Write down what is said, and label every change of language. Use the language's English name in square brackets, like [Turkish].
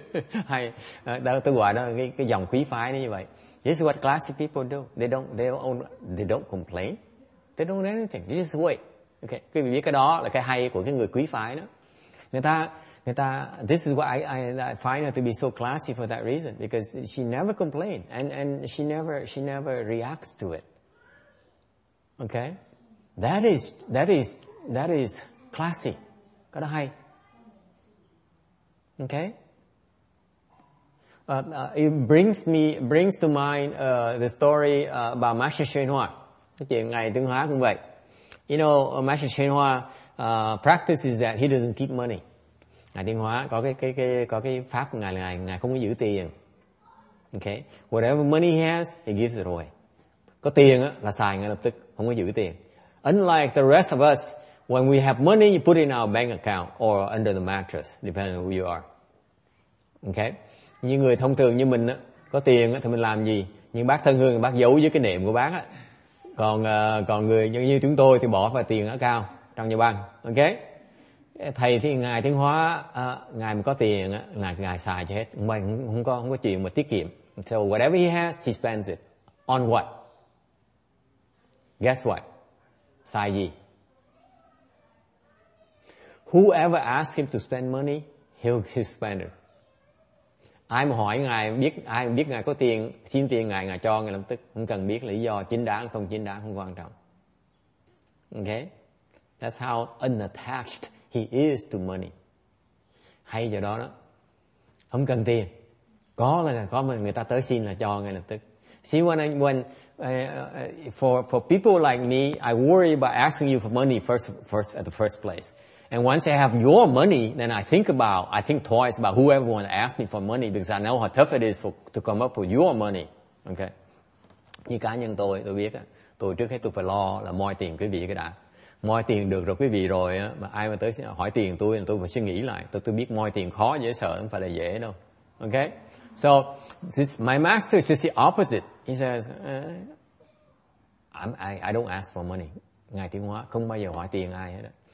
[Vietnamese] Hay đó, tôi gọi đó cái dòng quý phái như vậy. [English] This is what classy people do. They don't complain. They don't do anything. They just wait. Okay. [Vietnamese] Quý vị biết cái đó là cái hay của cái người quý phái đó. Người ta [English] this is why I find her to be so classy for that reason, because she never complain and she never reacts to it. Okay? That is classy. [Vietnamese] Cái đó hay. [English] Okay? It brings to mind the story about Master Xuyên Hoa. [Vietnamese] Cái chuyện ngày Tương Hóa cũng vậy. [English] You know, Master Xuyên Hoa practices that he doesn't keep money. [Vietnamese] Ngài Tương Hóa có cái pháp của ngài không có giữ tiền. [English] Okay, whatever money he has, he gives it away. [Vietnamese] Có tiền á là xài ngay lập tức, không có giữ tiền. [English] Unlike the rest of us, when we have money, you put it in our bank account or under the mattress, depending on who you are. Okay. [Vietnamese] Như người thông thường như mình có tiền thì mình làm gì, nhưng bác thân hương bác giấu dưới cái nệm của bác á. Còn người như chúng tôi thì bỏ vào tiền ở cao trong nhà băng. [English] Ok, [Vietnamese] thầy thì ngài Tiến Hóa, ngài mà có tiền là ngài xài cho hết, không có chuyện mà tiết kiệm. [English] So whatever he has, he spends it on what? Guess what? [Vietnamese] Xài gì? [English] Whoever asks him to spend money, he'll spend it. [Vietnamese] Ai mà hỏi ngài biết, ai mà biết ngài có tiền, xin tiền ngài cho ngài lập tức, không cần biết lý do chính đáng không chính đáng, không quan trọng. [English] Okay, that's how unattached he is to money. [Vietnamese] Hay giờ đó, không cần tiền, có là có, mà người ta tới xin là cho ngài lập tức. [English] See when for people like me, I worry about asking you for money first at the first place, And once I have your money, then I think about, I think twice about whoever wants to ask me for money, because I know how tough it is for, to come up with your money. Okay. [Vietnamese] Như cá nhân tôi biết, tôi trước hết tôi phải lo là moi tiền quý vị cái đã. Moi tiền được rồi quý vị rồi, mà ai mà tới hỏi tiền tôi phải suy nghĩ lại. Tôi biết moi tiền khó dễ sợ, không phải là dễ đâu. [English] Okay. So, this, my master is just the opposite. He says, I don't ask for money. [Vietnamese] Ngài Thiên Hóa không bao giờ hỏi tiền ai hết.